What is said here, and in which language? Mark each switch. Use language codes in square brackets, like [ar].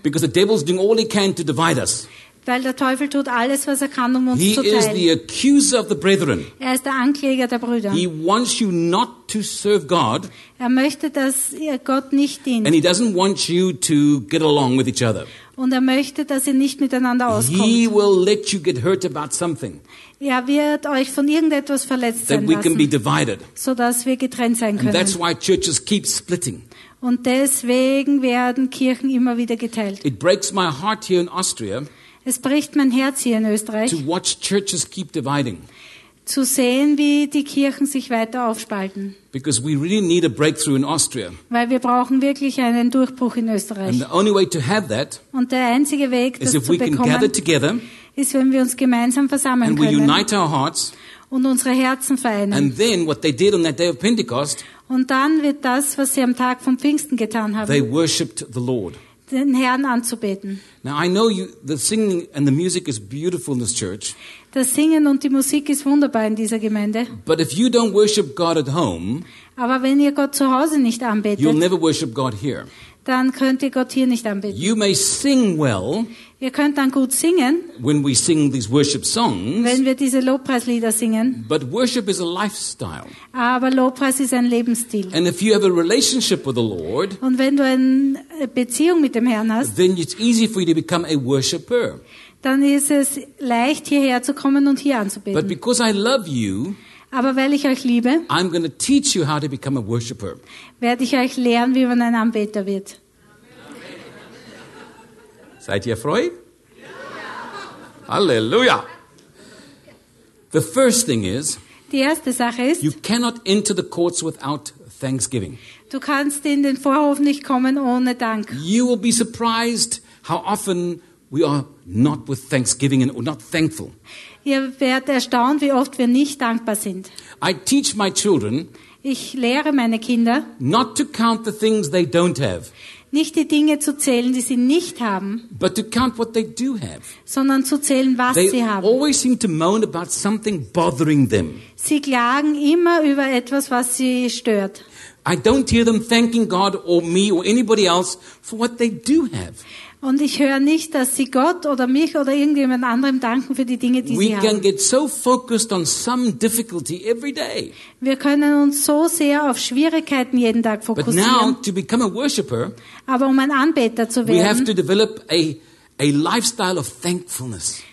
[en] Because the devil's doing all he can to divide us. [de] Weil der Teufel tut alles, was er kann, um uns [en] he [de] zu teilen. [en] Is the accuser of the brethren. [de] Er ist der Ankläger der Brüder. [en] He wants you not to serve God. [de] Er möchte, dass ihr Gott nicht dient. [en] And he doesn't want you to get along with each other. [de] Und er möchte, dass ihr nicht miteinander auskommt. [en] He will let you get hurt about something. [de] Er wird euch von irgendetwas verletzt [en] that [de] sein [en] we [de] lassen, [en] can be divided. [de] Sodass wir getrennt sein können. [en] And that's why churches keep splitting. [de] Und deswegen werden Kirchen immer wieder geteilt. [en] It breaks my heart here in Austria. [de] Es bricht mein Herz hier in Österreich, [en] to watch churches keep dividing. [de] Zu sehen, wie die Kirchen sich weiter aufspalten. [en] Because we really need a breakthrough in Austria. [de] Weil wir brauchen wirklich einen Durchbruch in Österreich. [en] And the only way to have that, [de] und der einzige Weg, das zu bekommen, [en] together, [de] ist, wenn wir uns gemeinsam versammeln [en] and [de] können [en] we unite our hearts, [de] und unsere Herzen vereinen. [en] And then what they did on that day of Pentecost, [de] und dann wird das, was sie am Tag vom Pfingsten getan haben, [en] they worshipped the Lord. [de] Den Herrn anzubeten. [en] Now I know you, the singing and the music is beautiful in this church. [de] Das Singen und die Musik ist wunderbar in dieser Gemeinde. [en] But if you don't worship God at home, [de] aber wenn ihr Gott zu Hause nicht anbetet, [en] you'll never worship God here. [de] Dann könnt ihr Gott hier nicht anbeten. [en] You may sing well, [de] ihr könnt dann gut singen, [en] when we sing these worship songs, [de] wenn wir diese Lobpreislieder singen. [en] But worship is a lifestyle. [de] Aber Lobpreis ist ein Lebensstil. [en] And if you have a relationship with the Lord, [de] und wenn du eine Beziehung mit dem Herrn hast, [en] then it's easy for you to become a worshiper. [de] Dann ist es leicht, hierher zu kommen und hier anzubeten. [en] But because I love you, [de] aber weil ich euch liebe, [en] I'm going to teach you how to become a worshiper. [de] Werde ich euch lernen, wie man ein Anbeter wird. Amen. Seid ihr frei? Ja. [en] Halleluja. The first thing is, [de] die erste Sache ist, [en] you cannot enter the courts without thanksgiving. [de] Du kannst in den Vorhof nicht kommen ohne Dank. [en] You will be surprised how often we are not with thanksgiving and not thankful. [de] Ihr werdet erstaunt, wie oft wir nicht dankbar sind. [en] I teach my children, [de] ich lehre meine Kinder, [en] not to count the things they don't have, [de] nicht die Dinge zu zählen, die sie nicht haben, [en] but to count what they do have, [de] sondern zu zählen, was [en] they [de] sie haben. [en] Always seem to moan about something bothering them. [de] Sie klagen immer über etwas, was sie stört. [en] I don't hear them thanking God or me or anybody else for what they do have. [de] Und ich höre nicht, dass sie Gott oder mich oder irgendjemand anderem danken für die Dinge, die [en] we [de] sie haben. [en] Can get so focused on some difficulty every day. [de] Wir können uns so sehr auf Schwierigkeiten jeden Tag fokussieren. [en] But now, to become a worshiper, [de] aber um ein Anbeter zu werden, [en] we have to develop a lifestyle of thankfulness.